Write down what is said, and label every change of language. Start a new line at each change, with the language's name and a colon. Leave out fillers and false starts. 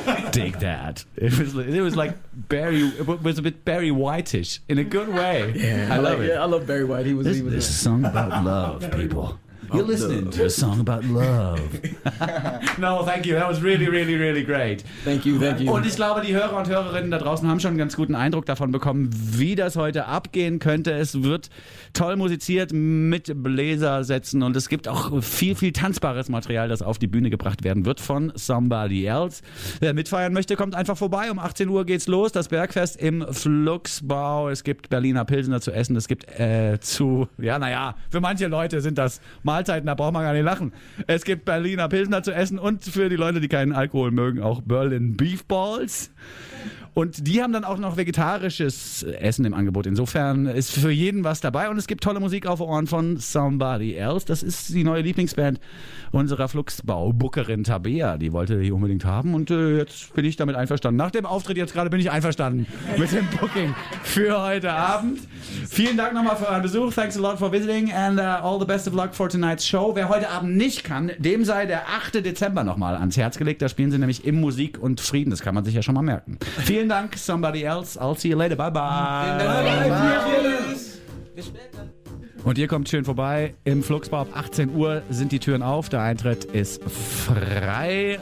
English: Dig that. It was like Barry. It was a bit Barry White-ish in a good way. Yeah, I love it. Yeah, I love Barry White. This is a song about love, people. You're listening to a song about love. No, thank you. That was really, really, really great. Thank you.
German: Und ich glaube, die Hörer und Hörerinnen da draußen haben schon einen ganz guten Eindruck davon bekommen, wie das heute abgehen könnte. Es wird toll musiziert mit Bläsersätzen und es gibt auch viel, viel tanzbares Material, das auf die Bühne gebracht werden wird von Somebody Else. Wer mitfeiern möchte, kommt einfach vorbei. Um 18 Uhr geht's los, das Bergfest im Fluxbau. Es gibt Berliner Pilsener zu essen. Es gibt für manche Leute sind das mal Mahlzeiten, da braucht man gar nicht lachen. Es gibt Berliner Pilsner zu essen und für die Leute, die keinen Alkohol mögen, auch Berlin Beef Balls. Und die haben dann auch noch vegetarisches Essen im Angebot. Insofern ist für jeden was dabei. Und es gibt tolle Musik auf Ohren von Somebody Else. Das ist die neue Lieblingsband unserer Fluxbau-Bookerin Tabea. Die wollte die unbedingt haben. Und jetzt bin ich damit einverstanden. Nach dem Auftritt jetzt gerade bin ich einverstanden mit dem Booking für heute Abend. Vielen Dank nochmal für euren Besuch.
English: Thanks a lot for visiting. And all the best of luck for tonight's show.
German: Wer heute Abend nicht kann, dem sei der 8. Dezember nochmal ans Herz gelegt. Da spielen sie nämlich im Musik und Frieden. Das kann man sich ja schon mal merken. Vielen Dank,
English: Somebody Else. I'll see you later. Bye bye.
German: Und ihr kommt schön vorbei. Im Fluxbau ab 18 Uhr sind die Türen auf. Der Eintritt ist frei.